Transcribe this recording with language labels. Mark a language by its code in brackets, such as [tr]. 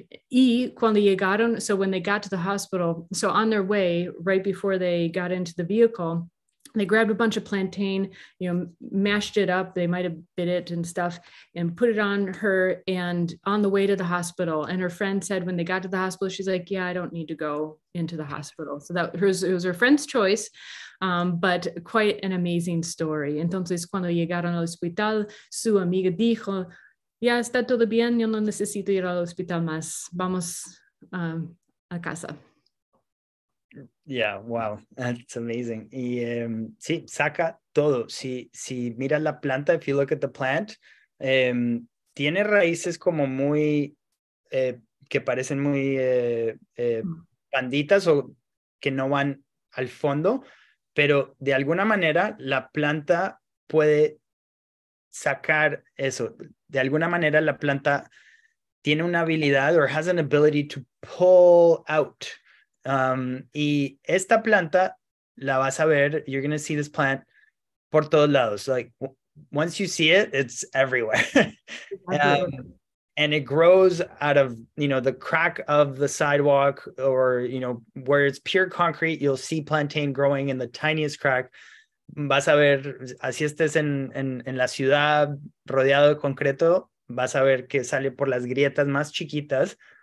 [es] Y cuando llegaron, [en] so when they got to the hospital, so on their way, right before they got into the vehicle, they grabbed a bunch of plantain, you know, mashed it up, they might have bit it and stuff, and put it on her and on the way to the hospital. And her friend said when they got to the hospital, she's like, yeah, I don't need to go into the hospital. So that it was her friend's choice, but quite an amazing story. [es] Entonces, cuando llegaron al hospital, su amiga dijo, ya está todo bien, yo no necesito ir al hospital más, vamos a casa. [en] Yeah, wow, that's amazing. [es] Y sí, saca todo. Si miras la planta, [en] if you look at the plant, [es] tiene raíces como muy, que parecen muy panditas o que no van al fondo, pero de alguna manera la planta puede sacar eso. De alguna manera la planta tiene una habilidad [en] or has an ability to pull out. [es] Y esta planta la vas a ver, [en] you're going to see this plant [es] por todos lados. [en] Like, once you see it, it's everywhere. And it grows out of, you know, the crack of the sidewalk or, you know, where it's pure concrete, you'll see plantain growing in the tiniest crack. [es] Vas a ver, así estés en la ciudad rodeado de concreto, vas a ver que sale por las grietas más chiquitas.